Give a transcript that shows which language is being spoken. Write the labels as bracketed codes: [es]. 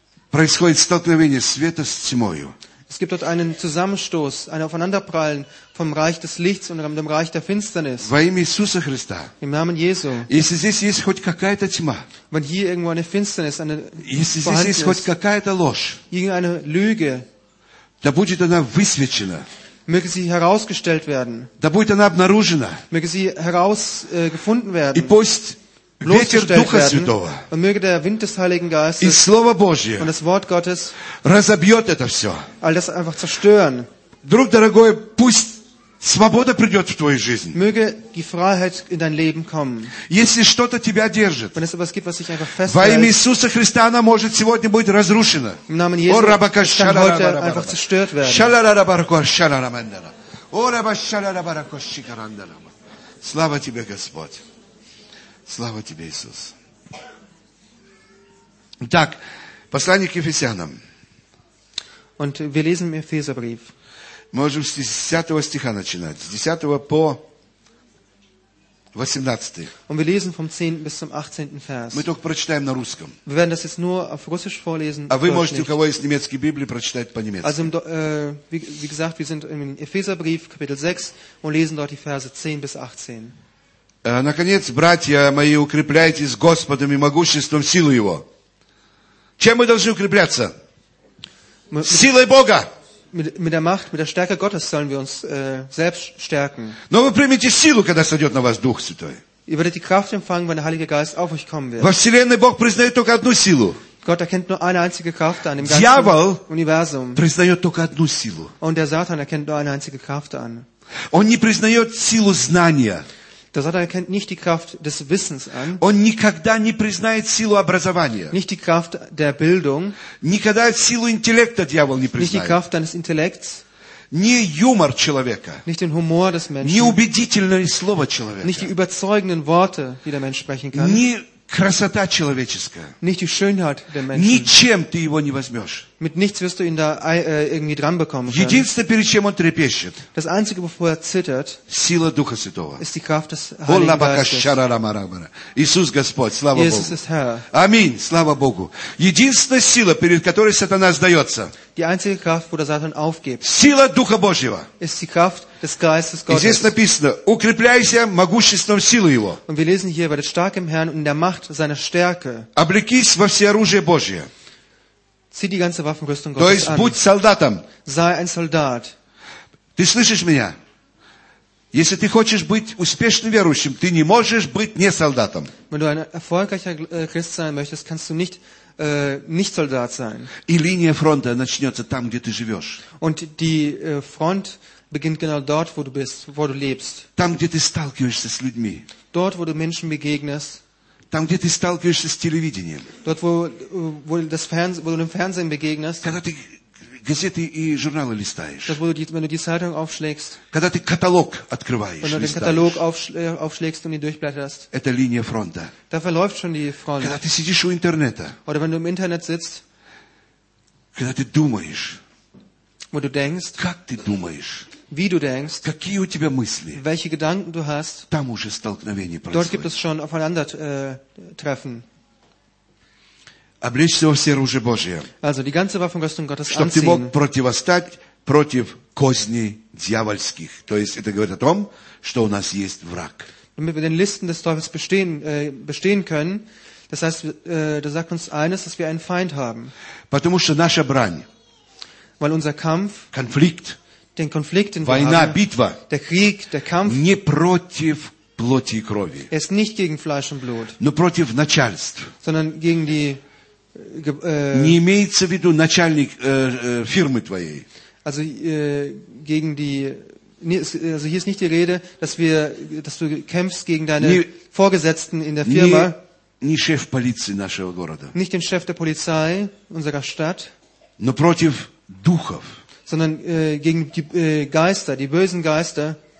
[ru] Происходит столкновение света с тьмою. [de] Es gibt dort einen Zusammenstoß, ein Aufeinanderprallen vom Reich des Lichts und dem Reich der Finsternis. [ru] Во имя Иисуса Христа. [de] Im Namen Jesu. [ru] Если здесь есть хоть какая-то тьма. [de] Wenn hier irgendwo eine Finsternis, eine [ru] если здесь есть [de] ist, [ru] хоть какая-то ложь. [de] Irgendeine Lüge. [ru] Да будет она высвечена. [de] Möge sie herausgestellt werden. [ru] Да будет она обнаружена. [de] Möge sie herausgefunden werden. [ru] И пусть ветер Духа Святого [de] und möge der Wind des Heiligen Geistes [ru] и Слово Божье [de] und das Wort Gottes [ru] разобьет это все. [de] All das einfach zerstören. [ru] Друг дорогой, пусть свобода придет в твою жизнь. [de] Möge die Freiheit in dein Leben kommen. [ru] Если что-то тебя держит, [de] wenn es etwas gibt, was dich einfach festhält, [ru] во имя Иисуса Христа она может сегодня будет разрушена. [de] Im Namen Jesu kann heute einfach zerstört werden. Heute einfach zerstört werden. [ru] Шалара-рабаракор-шалара-мандара. Слава тебе, Господь. Слава тебе, Иисус. Так, послание к Ефесянам. [de] Und wir lesen im Epheserbrief. [ru] Можем с 10 стиха начинать. С 10 по 18. [de] Und wir lesen vom 10. bis zum 18. Vers. [ru] Мы только прочитаем на русском. [de] Wir werden das jetzt nur auf Russisch vorlesen. [ru] А вы можете, у кого есть немецкие Библии, прочитать по-немецки. [de] Also, wie gesagt, wir sind im Epheserbrief, Kapitel 6, und lesen dort die Verse 10 bis 18. [ru] Наконец, братья мои, укрепляйтесь Господом и могуществом силы Его. Чем мы должны укрепляться? Силой Бога. [de] Mit der Macht, mit der Stärke Gottes sollen wir uns selbst stärken. [ru] Но вы примете силу, когда сойдет на вас Дух Святой. [de] Ihr werdet die Kraft empfangen, wenn der Heilige Geist auf euch kommen wird. [ru] Во Вселенной Бог признает только одну силу. [de] Gott erkennt nur eine einzige Kraft an im ganzen Universum. [ru] Дьявол признает только одну силу. [de] Und der Satan erkennt nur eine einzige Kraft an. [ru] Он не признает силу знания. [de] Der Satan erkennt nicht die Kraft des Wissens an. [ru] Он никогда не признает силу образования. [de] Nicht die Kraft der Bildung. [ru] Никогда силу интеллекта дьявол не признает. [de] Nicht die Kraft deines Intellekts. [ru] Не юмор человека. [de] Nicht den Humor des Menschen. [ru] Не убедительное слово человека. [de] Nicht die überzeugenden Worte, die der Mensch sprechen kann. [ru] Не красота человеческая. [de] Nicht die Schönheit der Menschen. [ru] Ничем ты его не возьмешь. [de] Mit nichts wirst du ihn da irgendwie dran bekommen können. [ru] Единственное, перед чем он трепещет. [de] Das Einzige, bevor er zittert, [ru] сила Духа Святого. [de] Ist die Kraft des Heiligen Geistes. [ru] Иисус Господь, слава Богу. [de] Jesus ist Herr. [ru] Аминь, слава Богу. Единственная сила, перед которой сатана сдается. [de] Die einzige Kraft, wo der Satan aufgibt. [ru] Сила Духа Божьего. [de] Ist die Kraft des Geistes Gottes. [ru] И здесь написано, укрепляйся могуществом силы Его. [de] Und wir lesen hier, werdet stark im Herrn und in der Macht seiner Stärke. [ru] Облекись во всеоружие Божие. [de] Zieh die ganze Waffenrüstung Gottes [ru] an. Будь солдатом. [de] Sei ein Soldat. [ru] Ты слышишь меня? Если ты хочешь быть успешным верующим, ты не можешь быть не солдатом. [de] Wenn du ein erfolgreicher Christ sein möchtest, kannst du nicht nicht Soldat sein. [ru] И линия фронта начнется там, где ты живешь. [de] Und die Front beginnt genau dort, wo du bist, wo du lebst. [ru] Там, где ты сталкиваешься с людьми. [de] Dort, wo du Menschen begegnest. [ru] Там, где ты сталкиваешься с телевидением. [de] Dort, wo du dem Fernsehen begegnest. [ru] Когда ты газеты и журналы листаешь. [de] Dort, wenn du die Zeitung aufschlägst. [ru] Когда ты каталог открываешь, [de] wenn du den Katalog aufschlägst und ihn durchblätterst. [ru] Это линия фронта. [de] Da verläuft schon die Front. [ru] Когда ты сидишь у интернета. [de] Oder wenn du im Internet sitzt. [ru] Когда ты думаешь. [de] Wo du denkst. [ru] Как ты думаешь. [de] Wie du denkst, [ru] какие у тебя мысли? [de] Welche Gedanken du hast, [ru] там уже столкновение происходит. [de] Dort gibt es schon aufeinandertreffen. [ru] Облечься во все оружие Божие. [de] Also die ganze Waffenrüstung Gottes anziehen. [ru] Чтобы ты мог противостать против козни дьявольских. То есть это говорит о том, что у нас есть враг. [de] Damit wir den Listen des Teufels bestehen können. Das heißt, das sagt uns eines, dass wir einen Feind haben. [ru] Потому что наша брань. [de] Weil unser Kampf. [ru] Конфликт. [de] Den Konflikt, den [ru] война, [de] wir haben, [ru] битва, [de] der Krieg, der Kampf, [ru] не против плоти и крови, [de] ist nicht gegen Fleisch und Blut, [ru] но против начальств, [de] sondern gegen die, [ru] не имеется в виду начальник фирмы твоей. [de] Also, gegen die, also hier ist nicht die Rede, dass du kämpfst gegen deine Vorgesetzten in der Firma, [ru] не шеф полиции нашего города, [de] nicht den Chef der Polizei unserer Stadt, [ru] но против духов. [de] Sondern gegen die Geister, die bösen Geister.